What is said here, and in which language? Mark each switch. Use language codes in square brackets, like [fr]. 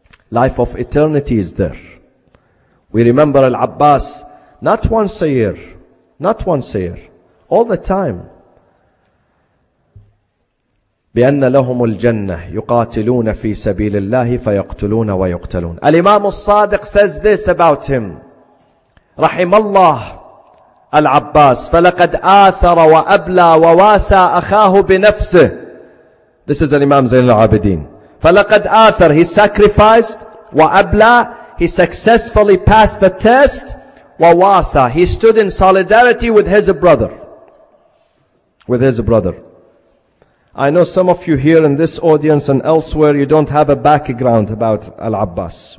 [en] Life of eternity is there. We remember Al-Abbas not once a year. Not once a year. All the time. [ar] بِأَنَّ لَهُمُ الْجَنَّةِ يُقَاتِلُونَ فِي سَبِيلِ اللَّهِ فَيَقْتُلُونَ وَيُقْتَلُونَ. [en] Al-Imam al-Sadiq says this about him. [ar] رَحِمَ اللَّهُ Al-Abbas, فَلَقَدْ آثَرَ وَأَبْلَى وَوَاسَى أَخَاهُ بِنَفْسِهِ. [en] This is an Imam Zain al-Abidin. [ar] فَلَقَدْ آثَرَ. [en] He sacrificed. [ar] وَأَبْلَى. [en] He successfully passed the test. [ar] وَوَاسَى. [en] He stood in solidarity with his brother. With his brother. I know some of you here in this audience and elsewhere, you don't have a background about Al-Abbas.